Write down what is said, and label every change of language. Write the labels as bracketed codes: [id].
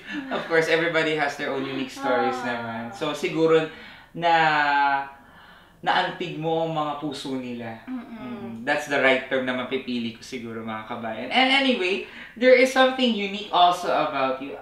[en] Of course, everybody has their own unique stories naman. [tl] So, siguro na naantig mo ang mga puso nila. [en] That's the right term [tl] na mapipili ko siguro, mga kabayan. [en] And anyway, there is something unique also about you.